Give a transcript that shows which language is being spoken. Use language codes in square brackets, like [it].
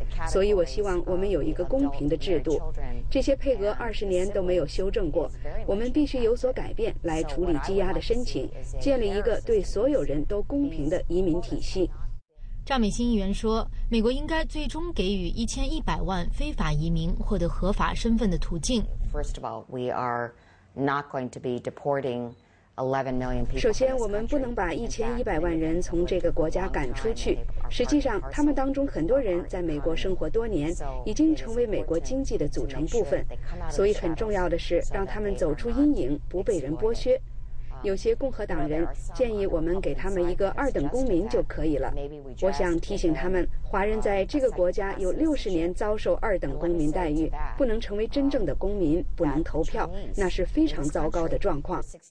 [zh] 所以我希望我们有一个公平的制度，这些配额20年都没有修正过，我们必须有所改变来处理积压的申请，建立一个对所有人都公平的移民体系。赵美心议员说，美国应该最终给予1100万非法移民获得合法身份的途径。 [en] First of all, we are not going to be deporting 11 million people. [zh] 首先，我们不能把1100万人从这个国家赶出去。实际上，他们当中很多人在美国生活多年，已经成为美国经济的组成部分。所以，很重要的是让他们走出阴影，不被人剥削。有些共和党人建议我们给他们一个二等公民就可以了。我想提醒他们，华人在这个国家有60年遭受二等公民待遇，不能成为真正的公民，不能投票，那是非常糟糕的状况。